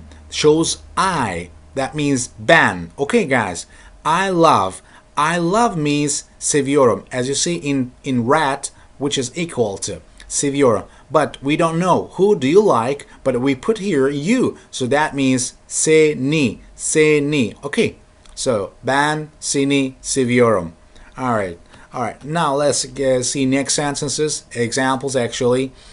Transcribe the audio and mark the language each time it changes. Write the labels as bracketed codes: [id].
[en] Shows I. That means ben. Okay, guys. I love. I love means seviyorum. As you see in red, which is equal to seviyorum. But we don't know who do you like, but we put here you. So that means seni, seni. Okay, so [tr] ben seni seviyorum. [en] All right. Now let's see next sentences, examples actually.